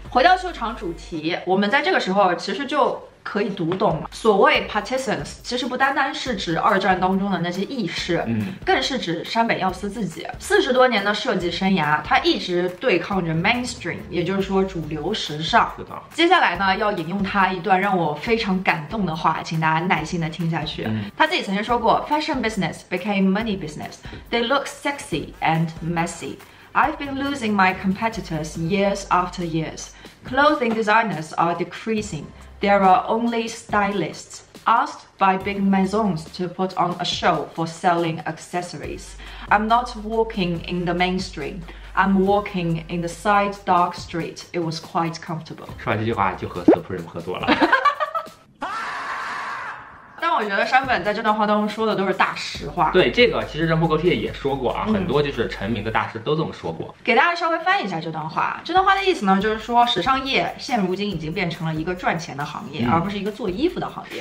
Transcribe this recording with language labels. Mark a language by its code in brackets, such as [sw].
[zh] 回到秀场主题，我们在这个时候其实就可以读懂了，所谓 partisans 其实不单单是指二战当中的那些义士，更是指山本耀司自己。 40多年的设计生涯，他一直对抗着 mainstream， 也就是说主流时尚。是的。接下来呢，要引用他一段让我非常感动的话，请大家耐心的听下去。他自己曾经说过 [en] ，Fashion business became money business. They look sexy and messy. I've been losing my competitors years after years. Clothing designers are decreasing. There are only stylists asked by big maisons to put on a show for selling accessories. I'm not walking in the mainstream. I'm walking in the side dark street. It was quite comfortable. [zh] 说完这句话就和 Supreme 合作了。但我觉得山本在这段话当中说的都是大实话。对，这个其实人物高铁也说过啊，很多就是成名的大师都这么说过。给大家稍微翻译一下这段话，这段话的意思呢，就是说时尚业现如今已经变成了一个赚钱的行业，而不是一个做衣服的行业。